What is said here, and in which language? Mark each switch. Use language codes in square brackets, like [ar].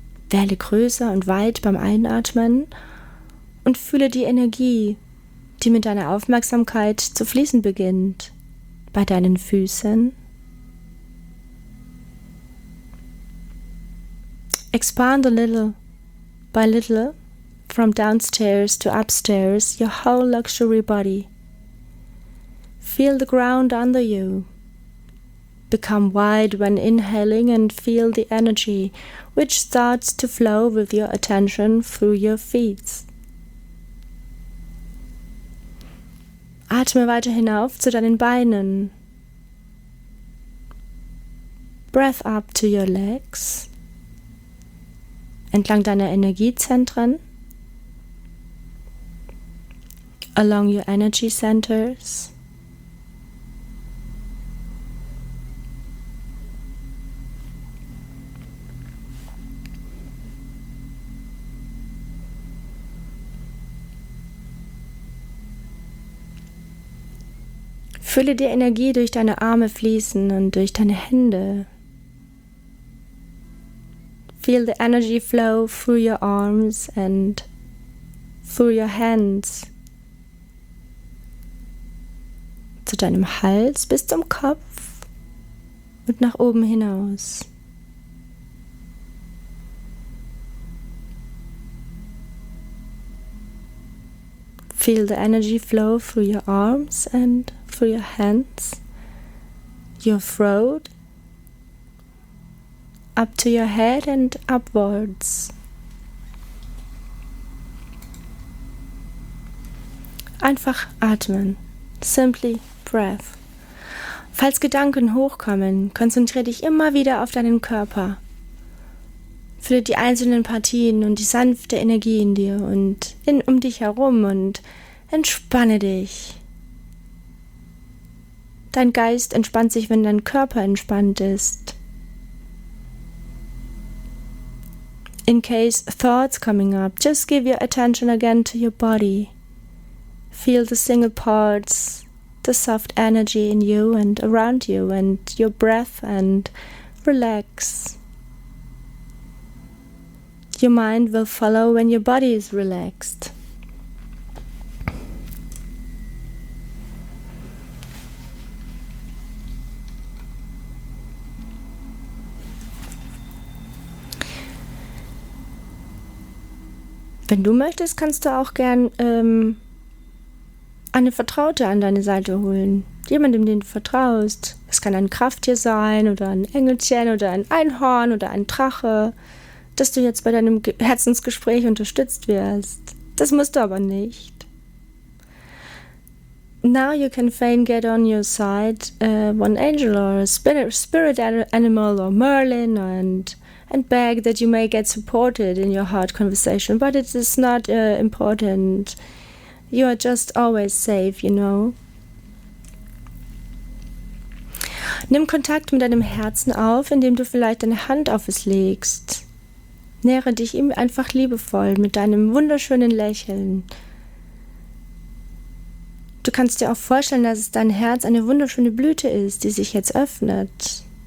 [de] Werde größer und weit beim Einatmen und fühle die Energie, die mit deiner Aufmerksamkeit zu fließen beginnt, bei deinen Füßen. [en] Expand a little by little. From downstairs to upstairs, your whole luxury body. Feel the ground under you. Become wide when inhaling and feel the energy which starts to flow with your attention through your feet. [de] Atme weiter hinauf zu deinen Beinen. [en] Breath up to your legs. [de] Entlang deiner Energiezentren. [en] Along your energy centers. [de] Fülle die Energie durch deine Arme fließen und durch deine Hände. [en] Feel the energy flow through your arms and through your hands. [de] Zu deinem Hals bis zum Kopf und nach oben hinaus. [en] Feel the energy flow through your arms and through your hands, your throat, up to your head and upwards. [de] Einfach atmen. [en] Simply breath. [de] Falls Gedanken hochkommen, konzentriere dich immer wieder auf deinen Körper. Fühle die einzelnen Partien und die sanfte Energie in dir und um dich herum und entspanne dich. Dein Geist entspannt sich, wenn dein Körper entspannt ist. [en] In case thoughts coming up, just give your attention again to your body. Feel the single parts, the soft energy in you and around you and your breath and relax. Your mind will follow when your body is relaxed. [de] Wenn du möchtest, kannst du auch gern eine Vertraute an deine Seite holen. Jemandem, den du vertraust. Es kann ein Krafttier sein oder ein Engelchen oder ein Einhorn oder ein Drache, dass du jetzt bei deinem Herzensgespräch unterstützt wirst. Das musst du aber nicht. [en] Now you can fain get on your side one angel or a spirit animal or Merlin and beg that you may get supported in your heart conversation, but it is not important. You are just always safe, you know. [de] Nimm Kontakt mit deinem Herzen auf, indem du vielleicht deine Hand auf es legst. Nähere dich ihm einfach liebevoll mit deinem wunderschönen Lächeln. Du kannst dir auch vorstellen, dass es dein Herz eine wunderschöne Blüte ist, die sich jetzt öffnet.